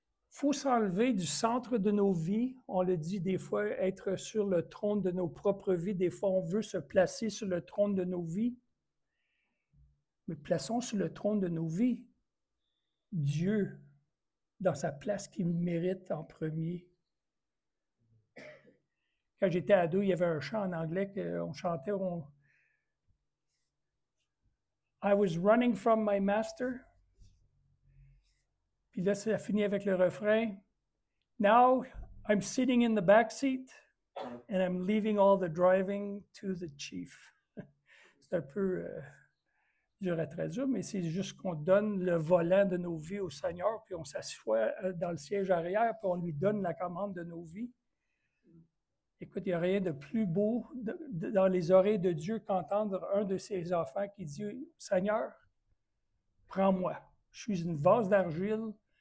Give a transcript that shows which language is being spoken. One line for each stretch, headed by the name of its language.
French: Il faut s'enlever du centre de nos vies, on le dit des fois, être sur le trône de nos propres vies, des fois on veut se placer sur le trône de nos vies, mais plaçons sur le trône de nos vies Dieu, dans sa place qu'il mérite en premier. Quand j'étais ado, il y avait un chant en anglais qu'on chantait.
English: I was running from my master.
French: Puis là, ça finit avec le refrain.
English: Now I'm sitting in the back seat and I'm leaving all the driving to the chief.
French: C'est un peu dur à traduire, mais c'est juste qu'on donne le volant de nos vies au Seigneur, puis on s'assoit dans le siège arrière, puis on lui donne la commande de nos vies. Écoute, il n'y a rien de plus beau dans les oreilles de Dieu qu'entendre un de ses enfants qui dit, « Seigneur, prends-moi. Je suis une vase d'argile.